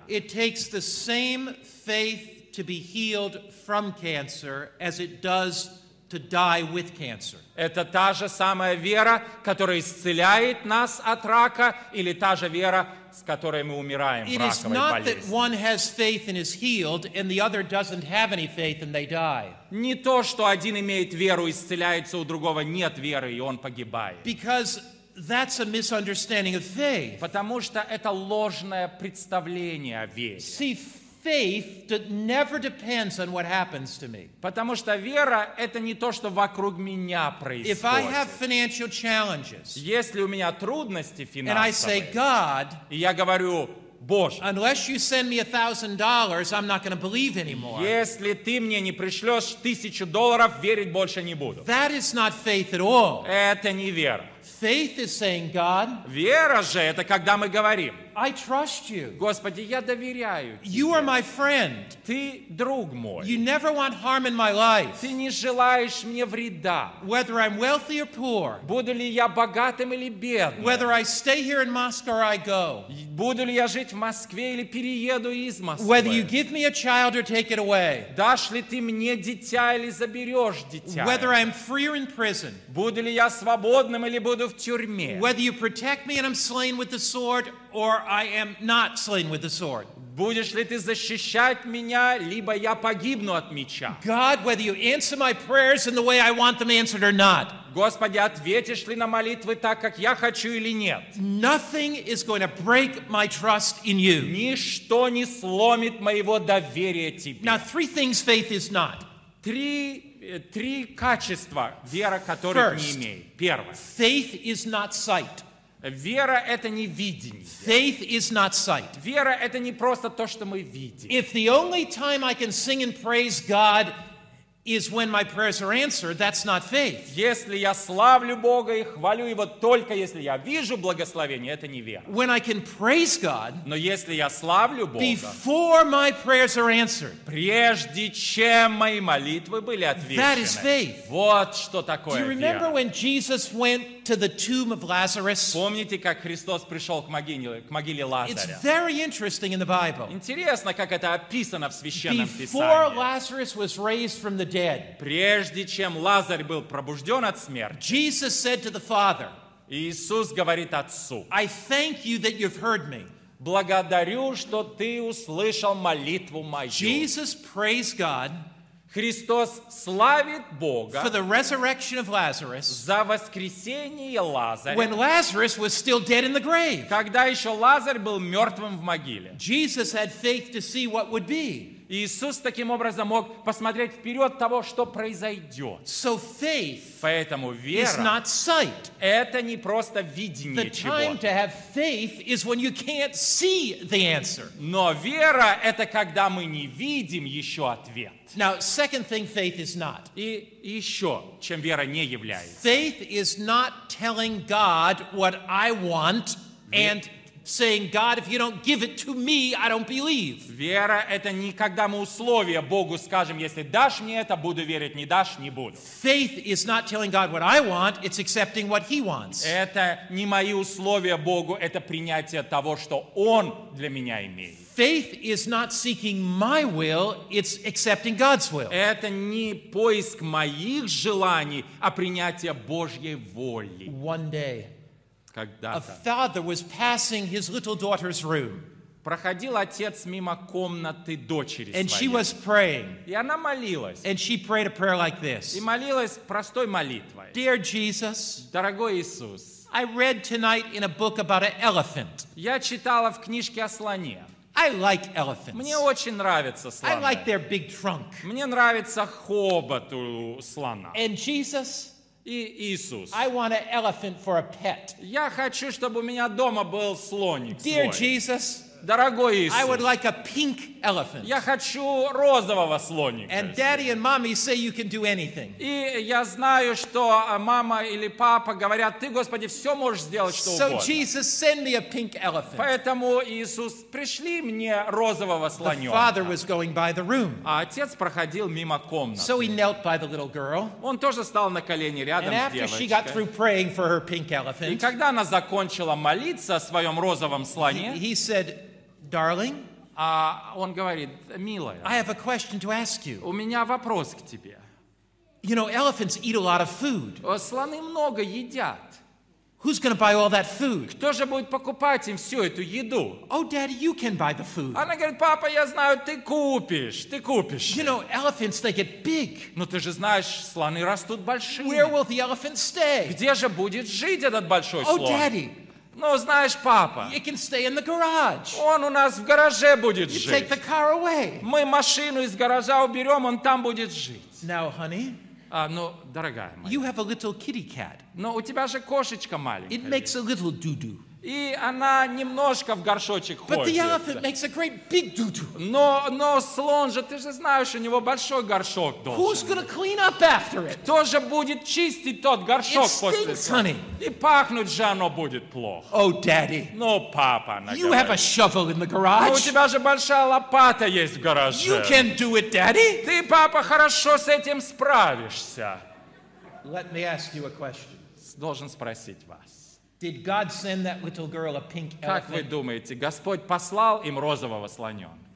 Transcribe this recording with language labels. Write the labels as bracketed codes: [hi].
[en] It takes the same faith to be healed from cancer as it does to die with cancer. [ru] Это та же самая вера, которая исцеляет нас от рака, или та же вера, с которой мы умираем в раковой болезни. [en] It is not that one has faith and is healed, and the other doesn't have any faith and they die. [ru] Не то, что один имеет веру и исцеляется, у другого нет веры и он погибает. [en] Because that's a misunderstanding of faith. [ru] Потому что это ложное представление о вере. [en] See, faith never depends on what happens to me. [ru] Потому что вера — это не то, что вокруг меня происходит. [en] If I have financial challenges, [ru] если у меня трудности финансовые, [en] and I say, God, [ru] и я говорю, Боже, [en] unless you send me $1,000, I'm not going to believe anymore. [ru] Если ты мне не пришлешь $1,000, верить больше не буду. [en] That is not faith at all. [ru] Это не вера. [en] Faith is saying, God, [ru] вера же это когда мы говорим: [en] I trust you. [ru] Господи, я доверяю тебе. [en] You are my friend. [ru] Ты друг мой. [en] You never want harm in my life. [ru] Ты не желаешь мне вреда. [en] Whether I'm wealthy or poor. [ru] Буду ли я богатым или бедным. [en] Whether I stay here in Moscow or I go. [ru] Буду ли я жить в Москве или перееду из Москвы. [en] Whether you give me a child or take it away. [ru] Дашь ли ты мне дитя или заберешь дитя. [en] Whether I'm free or in prison. [ru] Буду ли я свободным или буду в тюрьме. [en] Whether you protect me and I'm slain with the sword. Or I am not slain with the sword. [ru] Будешь ли ты защищать меня, либо я погибну от меча? [en] God, whether you answer my prayers in the way I want them answered or not. [ru] Господи, ответишь ли на молитвы так, как я хочу или нет? [en] Nothing is going to break my trust in you. [ru] Ничто не сломит моего доверия тебе. [en] Now, three things faith is not. [ru] Три качества вера, которых не имеет. Первое. [en] Faith is not sight. [ru] Вера — это не видение. [en] Faith is not sight. [ru] Вера — это не просто то, что мы видим. [en] If the only time I can sing and praise God is when my prayers are answered, that's not faith. [ru] Если я славлю Бога и хвалю Его только если я вижу благословение, это не вера. [en] When I can praise God, [ru] но если я славлю Бога, [en] before my prayers are answered, [ru] прежде чем мои молитвы были отвечены, [en] that is faith. [ru] Вот что такое вера. [en] Do you remember when Jesus went to the tomb of Lazarus? [ru] Помните, как Христос пришел к могиле Лазаря? [en] It's very interesting in the Bible. [ru] Интересно, как это описано в Священном Писании. [en] Before Lazarus was raised from the dead. [ru] Прежде чем Лазарь был пробужден от смерти, [en] Jesus said to the Father, [ru] Иисус говорит Отцу, [en] I thank you that you've heard me. [ru] Благодарю, что ты услышал молитву мою. [en] Jesus praised God. [ru] Христос славит Бога [en] for the resurrection of Lazarus, [ru] за воскресение Лазаря, [en] when Lazarus was still dead in the grave. [ru] Когда еще Лазарь был мертвым в могиле. [en] Jesus had faith to see what would be. [ru] Иисус таким образом мог посмотреть вперед того, что произойдет. [en] So faith [ru] поэтому вера [en] is not sight. [ru] Это не просто видение [en] the time [ru] чего-то. [en] To have faith is when you can't see the answer. [ru] Но вера — это когда мы не видим еще ответ. [en] Now, second thing faith is not. [ru] И еще, чем вера не является. [en] Faith is not telling God what I want and saying, God, if you don't give it to me, I don't believe. [ru] Вера — это не когда мы условия Богу скажем, если дашь мне это, буду верить, не дашь — не буду. [en] Faith is not telling God what I want, it's accepting what He wants. [ru] Это не мои условия Богу, это принятие того, что Он для меня имеет. [en] Faith is not seeking my will, it's accepting God's will. [ru] Это не поиск моих желаний, а принятие Божьей воли. [en] One day, [ru] когда-то, [en] a father was passing his little daughter's room. [ru] Проходил отец мимо комнаты дочери своей. [en] And she was praying. [ru] И она молилась. [en] And she prayed a prayer like this. [ru] И молилась простой молитвой. [en] Dear Jesus, [ru] дорогой Иисус, [en] I read tonight in a book about an elephant. [ru] Я читала в книжке о слоне. [en] I like elephants. [ru] Мне очень нравятся слоны. [en] I like their big trunk. [ru] Мне нравится хобот у слона. [en] And Jesus, [ru] и Иисус, [en] I want an elephant for a pet. [ru] Я хочу, чтобы у меня дома был слоник свой. [en] Dear Jesus, [ru] дорогой Иисус, [en] I would like a pink elephant. [ru] Я хочу розового слоника. [en] And daddy and mommy say you can do anything. [ru] И я знаю, что мама или папа говорят, ты, Господи, все можешь сделать, что [en] so [ru] угодно. [en] Jesus, send me a pink elephant. [ru] Поэтому, Иисус, пришли мне розового слоненка. [en] The father was going by the room. [ru] А отец проходил мимо комнаты. [en] So he knelt by the little girl. [ru] Он тоже стал на колени рядом [en] and [ru] с девочкой. [en] She got through praying for her pink elephant, [ru] и когда она закончила молиться о своем розовом слоне, [en] he said, Darling, [ru] он говорит, милая, [en] I have a question to ask you. [ru] У меня вопрос к тебе. [en] You know, elephants eat a lot of food. [ru] Слоны много едят. [en] Who's going to buy all that food? [ru] Кто же будет покупать им всю эту еду? [en] Oh, Daddy, you can buy the food. [ru] Она говорит, папа, я знаю, ты купишь. [en] You know, elephants, they get big. [ru] Но ты же знаешь, слоны растут большими. [en] Where will the elephant stay? [ru] Где же будет жить этот большой слон? [en] Oh, Daddy. [ru] Ну, знаешь, папа, [en] you can stay in the garage. [ru] Он у нас в гараже будет [en] you [ru] жить. [en] Take the car away. [ru] Мы машину из гаража уберем, он там будет жить. [en] Now, honey, [ru] ну, дорогая моя, [en] you have a little kitty cat. [ru] Но у тебя же кошечка маленькая. [en] It makes a little doo-doo. [ru] И она немножко в горшочек [en] but [ru] ходит. [en] The elephant makes a great big doo-doo. [ru] Но слон же, ты же знаешь, у него большой горшок должен [en] Who's gonna clean up after it? [ru] Кто же будет чистить тот горшок [en] It stinks, [ru] после [en] honey. [ru] И пахнуть же оно будет плохо. [en] Oh, daddy. [ru] Ну, папа, она [en] You [ru] говорит. [en] Have a shovel in the garage. [ru] Но у тебя же большая лопата есть в гараже. [en] You can do it, daddy. [ru] Ты, папа, хорошо с этим справишься. [en] Let me ask you a question. [ru] Должен спросить вас. [en] Did God send that little girl a pink elephant? [ru] Как вы думаете, Господь послал им розового слоненка?